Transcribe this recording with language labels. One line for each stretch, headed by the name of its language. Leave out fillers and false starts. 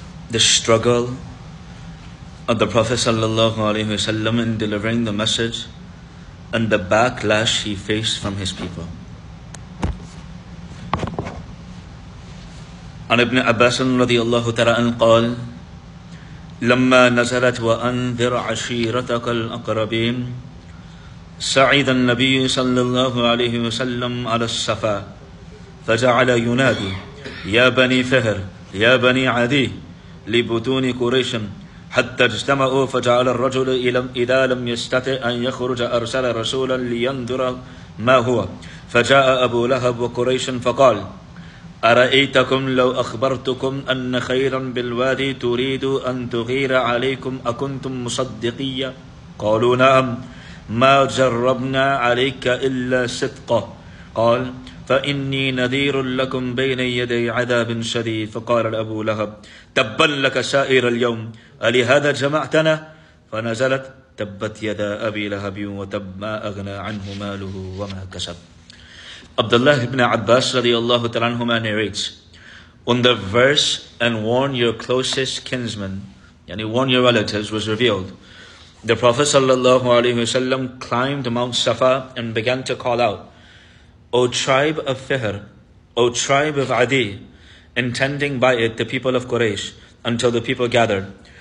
English: The struggle of the Prophet sallallahu alaihi wasallam in delivering the message and the backlash he faced from his people.
Arabic: An Ibn Abbas radiyallahu ta'ala an qal, Lamma nazalat wa anzir ashiratak al-aqrabin, سعد النبي صلى الله عليه وسلم على الصفا فجعل ينادي يا بني فهر يا بني عدي لبطون قريش حتى اجتمعوا فجعل الرجل إذا لم يستطع أن يخرج أرسل رسولا لينذر ما هو فجاء أبو لهب وقريش فقال أرأيتكم لو أخبرتكم أن خيرا بالوادي تريد أن تغير عليكم أكنتم مصدقية قالوا نعم ما جربنا عليك إلا صدقة قال فإني نذير لكم بين يدي عذاب شديد فقال أبو لهب تبا لك سائر اليوم ألهذا جمعتنا فنزلت تبت يدا أبي لهب وتب ما أغنى عنه ماله وما كسب.
English: Abdullah ibn Abbas radiallahu ta'ala anhuma narrates, when the verse and warn your closest kinsmen, yani warn your relatives, was revealed, the Prophet sallallahu alaihi wasallam climbed Mount Safa and began to call out, O tribe of Fihr, O tribe of Adi, intending by it the people of Quraysh, until the people gathered.